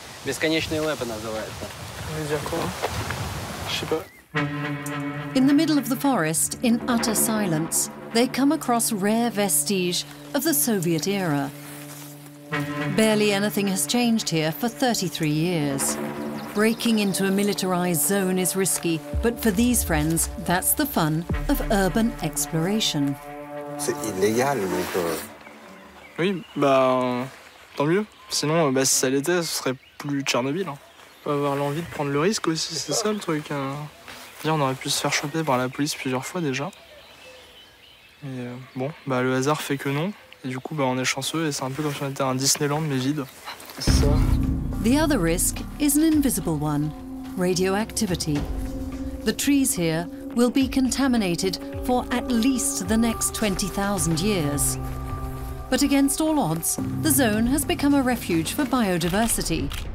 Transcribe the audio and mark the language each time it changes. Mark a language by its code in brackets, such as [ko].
[ru] Бесконечные лэпы называется. [en] In the middle of the forest, in utter silence, they come across rare vestige of the Soviet era. Barely anything has changed here for 33 years. Breaking into a militarized zone is risky, but for these friends, that's the fun of urban exploration. [fr] C'est illégal, donc. Oui, tant mieux. Sinon, si ça l'était, ce serait plus Tchernobyl. On va avoir l'envie de prendre le risque aussi, c'est ça le truc. On aurait pu se faire choper par la police plusieurs fois déjà. Et bon, le hasard fait que non. Et du coup, on est chanceux et c'est un peu comme si on était un Disneyland mais vide. Ça. [en] The other risk is an invisible one: radioactivity. The trees here will be contaminated for at least the next 20,000 years. But against all odds, the zone has become a refuge for biodiversity.